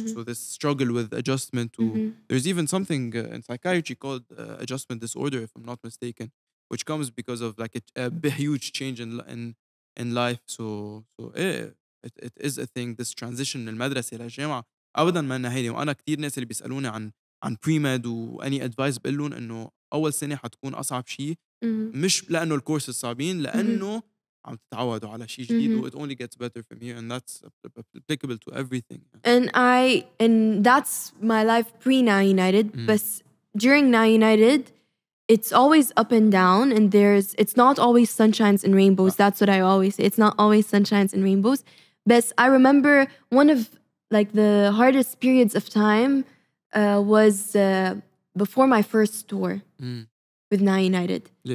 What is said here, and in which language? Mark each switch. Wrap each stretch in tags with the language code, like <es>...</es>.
<en>This struggle with adjustment to there's even something in psychiatry called adjustment disorder, if I'm not mistaken, which comes because of like a huge change in life. So it is a thing. This transition in</en> <ar>المدرسة إلى الجامعة أبدا ما أنا هيدي. وأنا كتير ناس اللي بيسألوني عن pre-med وأني advice بقلون إنه أول سنة حتكون أصعب شيء مش لأنه الكورس صعبين لأنه عم تتعودوا على شيء جديد و</ar> <en>it only gets better from here and that's applicable to everything. And that's my life pre-Now United. But during Now United, it's always up and down and it's not always sunshines and rainbows. Yeah. That's what I always say. It's not always sunshines and rainbows. But I remember one of like the hardest periods of time was before my first tour. With Now United.</en>